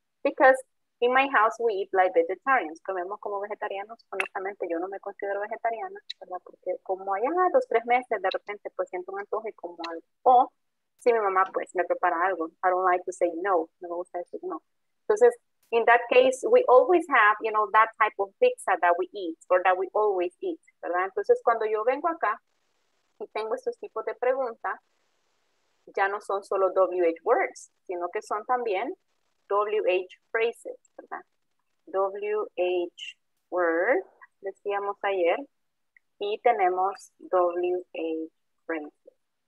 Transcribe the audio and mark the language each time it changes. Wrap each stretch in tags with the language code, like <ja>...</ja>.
<en>Because in my house, we eat like vegetarians.</en> <es>Comemos como vegetarianos. Honestamente, yo no me considero vegetariana, ¿verdad? Porque como allá a dos, tres meses, de repente, pues siento un antojo y como algo. O si mi mamá, pues, me prepara algo.</es> <en>I don't like to say no.</en> <es>No me gusta decir no.</es> <en>Entonces, in that case, we always have, you know, that type of pizza that we eat or that we always eat, ¿verdad?</en> <es>Entonces, cuando yo vengo acá y tengo estos tipos de preguntas, ya no son solo WH words, sino que son también WH phrases, ¿verdad? WH words, decíamos ayer, y tenemos WH phrases.</es>